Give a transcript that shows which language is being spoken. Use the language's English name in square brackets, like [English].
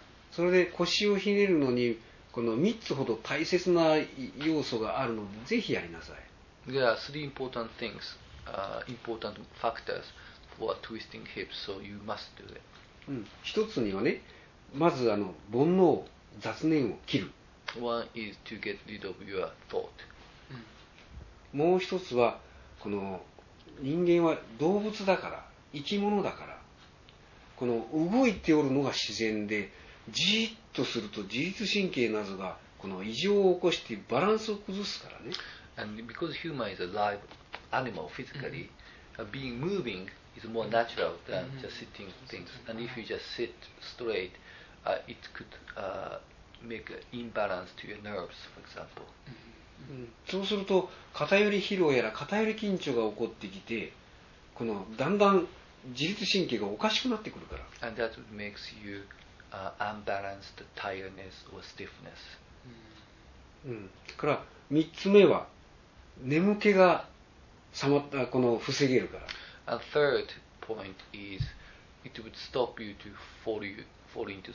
[Japanese] それで腰をひねるのにこの3つほど大切な要素があるのでぜひやりなさい。 [English] There are three important things, important factors for twisting hips, so you must do it. [Japanese] 一つにはね、まず煩悩、雑念を切る。 [English] One is to get rid of your thought. [Japanese] もう一つは、この人間は動物だから、生き物だから、この動いておるのが自然で、じーっとすると自律神経などがこの異常を起こしてバランスを崩すからね。 [English] And because human is a live animal physically, being moving is more natural than just sitting things. And if you just sit straight, it could make an imbalance to your nerves, for example. [Japanese] そうすると偏り疲労やら偏り緊張が起こってきて、このだんだん自律神経がおかしくなってくるから。 [English] And that makes you unbalanced tiredness or stiffness. [Japanese] から三つ目は眠気がさまったこの防げるから。 [English] And third point is it would stop you to fall into sleep.